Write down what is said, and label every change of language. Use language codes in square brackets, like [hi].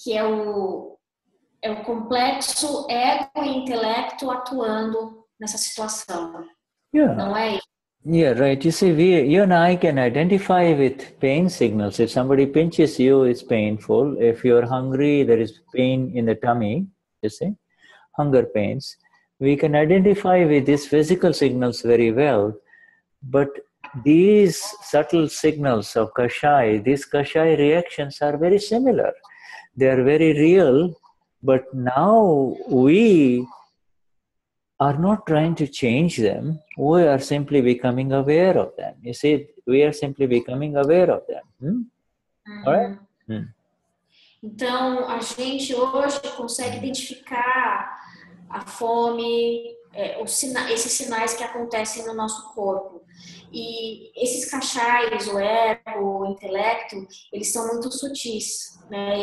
[pt] Que é o complexo ego e intelecto atuando nessa situação. [en] Yeah. Yeah, right. You see, you and I can identify with pain signals. If somebody pinches you, it's painful. If you're hungry, there is pain in the tummy, you see, hunger pains. We can identify with these physical signals very well. But these subtle signals of kashai, these kashai reactions are very similar. They are very real. But now we are not trying to change them, we are simply becoming aware of them. You see, we are simply becoming aware of them. All right? [pt] Então, a gente hoje consegue identificar a fome, esses sinais que acontecem no nosso corpo. E esses cachais, o ego, o intelecto, eles são muito sutis, né?